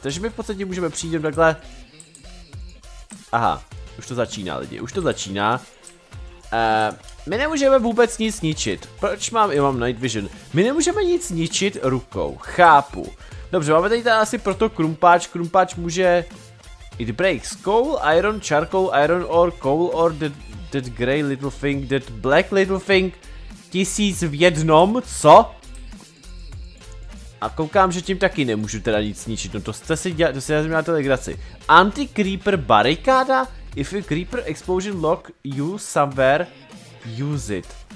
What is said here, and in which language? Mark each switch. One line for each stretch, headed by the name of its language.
Czech: Takže my v podstatě můžeme přijít takhle. Aha. Už to začíná lidi, už to začíná. My nemůžeme vůbec nic ničit. Proč mám, já mám night vision. My nemůžeme nic ničit rukou, chápu. Dobře, máme tady asi proto krumpáč. Krumpáč může...
English: It breaks coal, iron, charcoal, iron ore, coal ore, that grey little thing, that black little thing.
Czech: 1000 v jednom, co? A koukám, že tím taky nemůžu teda nic ničit. No to jste si dělat, to si já znamená telegraci. Anti-creeper barikáda?
English: If a creeper explosion lock you somewhere, use it.